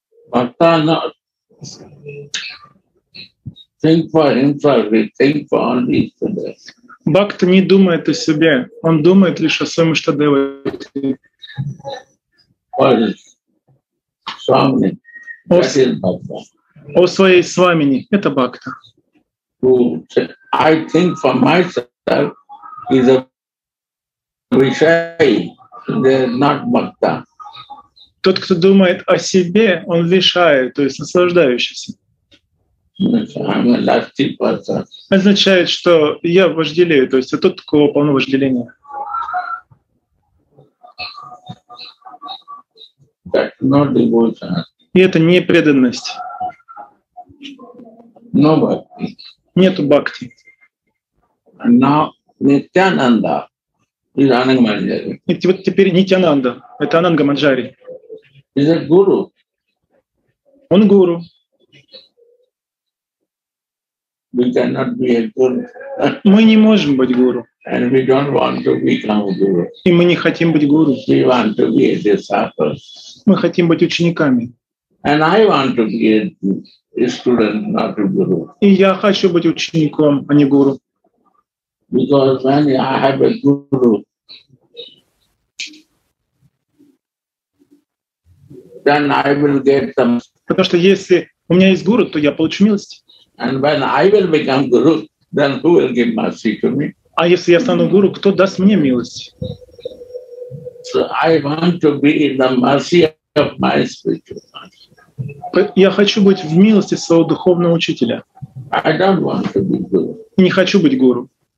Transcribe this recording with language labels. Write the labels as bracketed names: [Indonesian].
[English] But not think for himself, he think for only Ishtadeva. [Russian] Бхакта не думает о себе, он думает лишь о своем Иштадеве. [English] What is Swamini? That is Bhakta. [Russian] О своей Свамини, это Бхакта. [English] I think for myself is a Vishayi, not Bhakta. [Russian] Тот, кто думает о себе, он вишая, то есть наслаждающийся. [English] I'm a lusty person. [Russian] Означает, что я вожделею, то есть я тот, у кого полно вожделения. [English] That's not devotion. [Russian] И это не преданность. [English] No bhakti. [Russian] Нету бхакти. [English] Now Nityananda is Anangamanjari. [Russian] И вот теперь Нитянанда, это Анангаманджари. [English] Is a guru. [Russian] Он гуру. [English] We cannot be a guru. [Russian] Мы не можем быть гуру. [English] And we don't want to become guru. [Russian] И мы не хотим быть гуру. [English] We want to be a disciple. [Russian] Мы хотим быть учениками. [English] And I want to be a student, not a guru. И я хочу быть учеником, а не гуру. Because when I have a guru. Then I will get some. [Russian] Потому что если у меня есть гуру, то я получу милость. [English] And when I will become guru, then who will give mercy to me? [Russian] А если я стану гуру, кто даст мне милость? [English] So I want to be in the mercy of my spiritual master. [Russian] Я хочу быть в милости своего духовного учителя. [English] I don't want to be guru. [Russian] Не хочу быть гуру.